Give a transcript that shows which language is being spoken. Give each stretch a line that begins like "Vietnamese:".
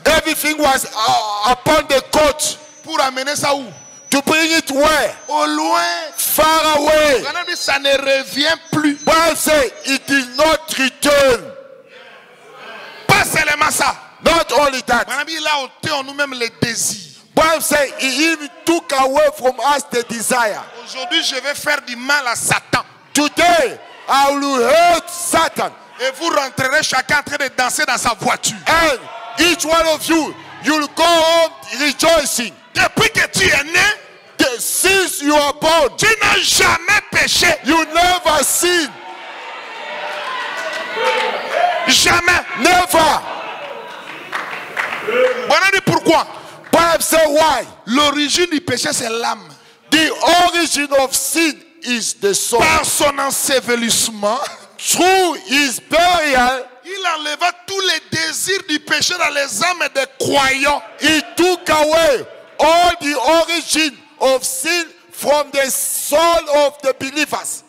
English: Everything was upon the coat.
French: Pour amener ça où?
English: To bring it where?
French: Au loin.
English: Far away.
French: Ça ne revient plus.
English: Paul said, it is not return.
French: Pas seulement ça.
English: Not only that.
French: Il a ôté en nous-mêmes les désirs.
English: Paul said, he even took away from us the desire.
French: Aujourd'hui, je vais faire du mal à Satan.
English: Today, I will hurt Satan.
French: Et vous rentrerez chacun en train de danser dans sa voiture.
English: And each one of you, you'll go home rejoicing.
French: Depuis que tu es né,
English: the, since you are born,
French: tu n'as jamais péché.
English: You never sin.
French: Jamais.
English: Never.
French: Voilà dit pourquoi.
English: Bible say why.
French: L'origine du péché c'est l'âme.
English: The origin of sin is the soul.
French: Par son ensevelissement,
English: through his burial,
French: il enleva tous les désirs du péché dans les âmes des croyants.
English: He took away all the origin of sin from the soul of the believers.